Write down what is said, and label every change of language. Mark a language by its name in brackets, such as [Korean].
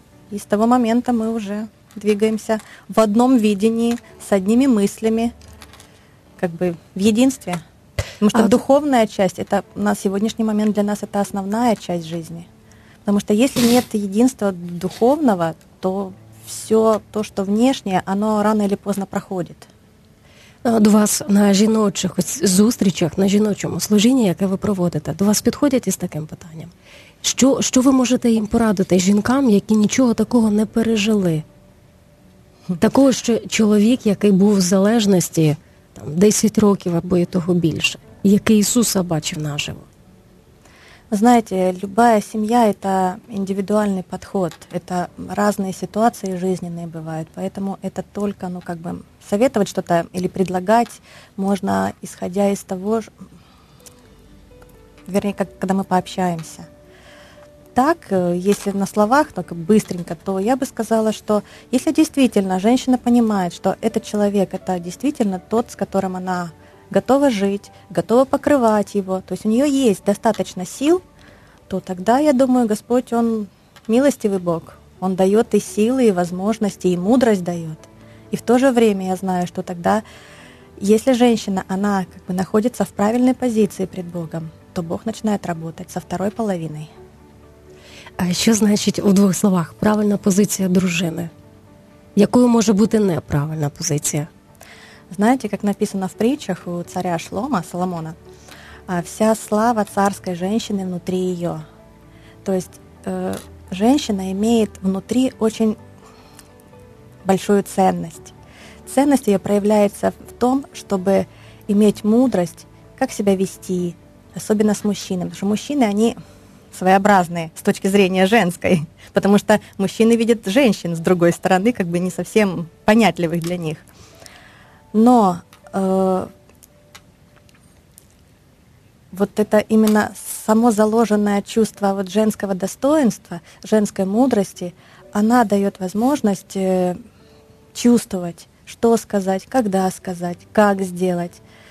[Russian] И с того момента мы уже двигаемся в одном видении, с одними мыслями, как бы в единстве. Потому что духовная часть, это на сегодняшний момент для нас это основная часть жизни. Потому что если нет единства духовного, то все то, что внешнее, оно рано или поздно проходит. [Ukrainian] До вас на жіночих зустрічах, на жіночому служінні, яке ви проводите, до вас підходять із таким питанням? Що ви можете їм порадити жінкам, які нічого такого не пережили? Такого, що чоловік, який був в залежності, 10 років або і того більше, яке Ісуса бачив наживо. Ви знаєте, любая сім'я – це індивідуальний підхід, це різні ситуації життєві бувають, тому це тільки, ну, як би, советувати щось або предлагати можна, ісходя із того, вірніше, коли ми пообщаємося. [Russian] так, если на словах, только быстренько, то я бы сказала, что если действительно женщина понимает, что этот человек — это действительно тот, с которым она готова жить, готова покрывать его, то есть у нее есть достаточно сил, то тогда, я думаю, Господь, Он милостивый Бог. Он дает и силы, и возможности, и мудрость дает. И в то же время я знаю, что тогда, если женщина, она как бы находится в правильной позиции пред Богом, то Бог начинает работать со второй половиной. [Ukrainian] А що значить у двох словах правильна позиція дружини? Якою може бути неправильна позиція? Знаєте, як написано в притчах у царя Шлома, Соломона, вся слава царської жінки внутрі її. Тобто, жінка має внутрі дуже велику цінність. Цінність її проявляється в тому, щоб мати мудрість, як себе вести, особливо з чоловіком. Тому що чоловіки, вони [Russian] своеобразные с точки зрения женской, потому что мужчины видят женщин с другой стороны, как бы не совсем понятливых для них. Но вот это именно само заложенное чувство вот женского достоинства, женской мудрости, она дает возможность чувствовать, что сказать, когда сказать, как сделать.